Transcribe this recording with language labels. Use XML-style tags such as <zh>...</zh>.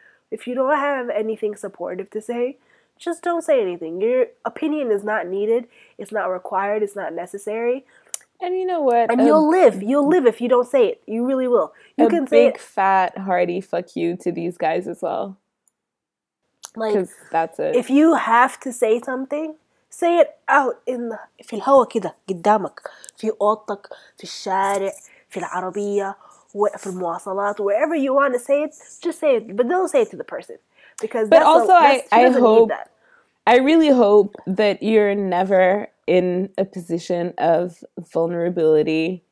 <en>If you don't have anything supportive to say, just don't say anything. Your opinion is not needed. It's not required. It's not necessary. And you know what? And you'll live. You'll live if you don't say it. You really will. You can say it. A big, fat, hearty fuck you to these guys as well. Like, that's it. If you have to say something, say it out in the...</en> <ar>في الهوى كده قدامك في أوضتك في الشارع في العربية في المواصلات</ar> <en>wherever you want to say it,</en> <ar>just say it.</ar> <en>But don't say it to the person. Because but that's also, I hope... I really hope that you're never in a position of vulnerability.</en>